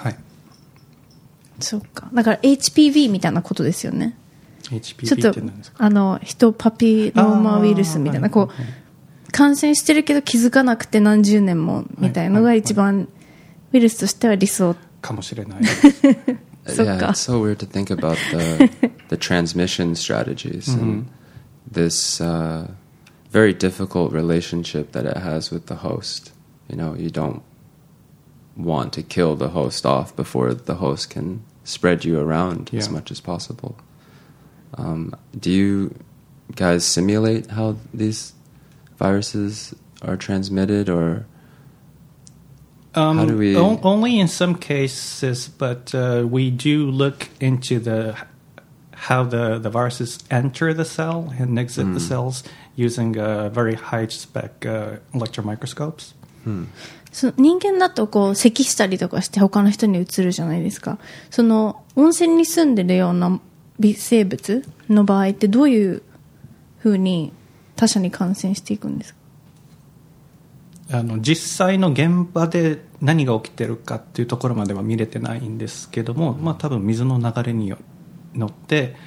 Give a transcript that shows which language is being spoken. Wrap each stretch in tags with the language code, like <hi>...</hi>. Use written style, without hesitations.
<ja>はい、そっか。だから HPV みたいなことですよね。 HPV って何ですか？あのヒトパピローマウイルスみたいな、はい、こう、はい、感染してるけど気づかなくて何十年もみたいなのが一番ウイルスとしては理想、はいはい、かもしれない。</ja> <en>Yeah, it's so weird to think about the transmission strategies and this very difficult relationship that it has with the host. You know, you don't want to kill the host off before the host can spread you around as much as possible. Do you guys simulate how these viruses are transmitted or... Only in some cases, but we do look into how the viruses enter the cell and exit the cells using very high spec electron microscopes.</en> <ja>その人間だとこう咳したりとかして他の人に移るじゃないですか。その温泉に住んでるような微生物の場合ってどういうふうに他者に感染していくんですか？あの実際の現場で何が起きてるかっていうところまでは見れてないんですけども、まあ、多分水の流れに乗って、</ja>